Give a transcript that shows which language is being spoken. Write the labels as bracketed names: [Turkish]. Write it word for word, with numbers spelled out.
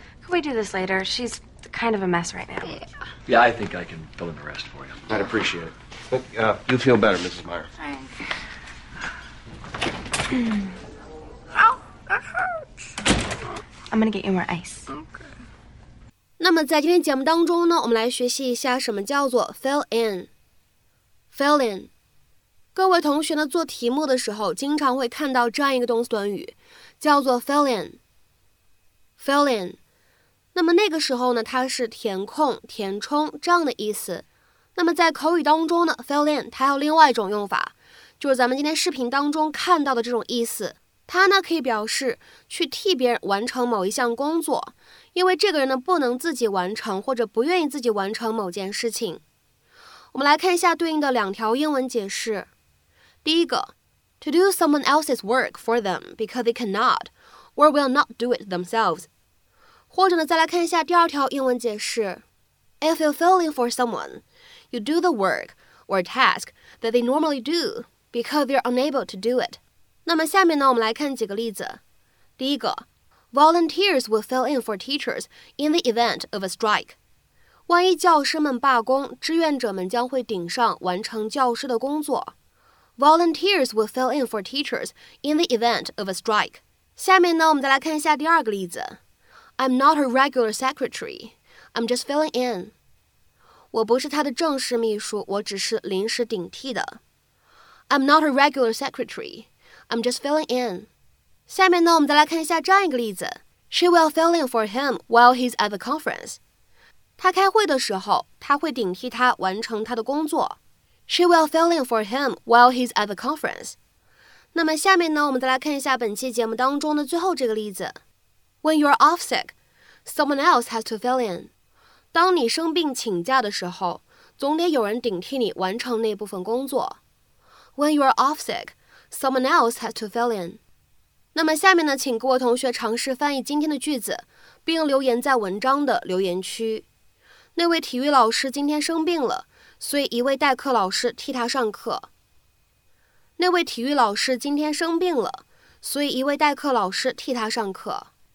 [English] Can we do this later? She's... kind of a mess right now. Yeah. yeah, I think I can fill in the rest for you. I'd appreciate it. But, uh, you feel better, Missus Meyer. Thanks. Ow, that hurts. I'm gonna get you more ice. Okay. [Chinese] 那么在今天节目当中呢，我们来学习一下什么叫做 fill in. [English] Fill in. [Chinese] 各位同学呢，做题目的时候经常会看到这样一个动词短语，叫做 fill in. [English] Fill in. [Chinese] 那么那个时候呢，它是填空、填充这样的意思。那么在口语当中呢 ，fill in 它还有另外一种用法，就是咱们今天视频当中看到的这种意思。它呢可以表示去替别人完成某一项工作，因为这个人呢不能自己完成或者不愿意自己完成某件事情。我们来看一下对应的两条英文解释。第一个 [English] ，to do someone else's work for them because they cannot or will not do it themselves。 [Chinese] 或者呢，再来看一下第二条英文解释 [English] If you fill in for someone, you do the work or task that they normally do because they're unable to do it. [Chinese] 那么下面呢，我们来看几个例子。第一个 [English] Volunteers will fill in for teachers in the event of a strike. [Chinese] 万一教师们罢工，志愿者们将会顶上完成教师的工作。 [English] Volunteers will fill in for teachers in the event of a strike. [Chinese] 下面呢，我们再来看一下第二个例子。 [English] I'm not her regular secretary. I'm just filling in. [Chinese] 我不是她的正式秘书，我只是临时顶替的。 [English] I'm not her regular secretary. I'm just filling in. [Chinese] 下面呢，我们再来看一下这样一个例子。 [English] She will fill in for him while he's at the conference. [Chinese] 她开会的时候，她会顶替他完成他的工作。 [English] She will fill in for him while he's at the conference. [Chinese] 那么下面呢，我们再来看一下本期节目当中的最后这个例子。 [English] When you're off sick, someone else has to fill in. [Chinese] 当你生病请假的时候，总得有人顶替你完成那部分工作。 [English] When you're off sick, someone else has to fill in. [Chinese] 那么下面呢，请各位同学尝试翻译今天的句子，并留言在文章的留言区。那位体育老师今天生病了，所以一位代课老师替他上课。那位体育老师今天生病了，所以一位代课老师替他上课。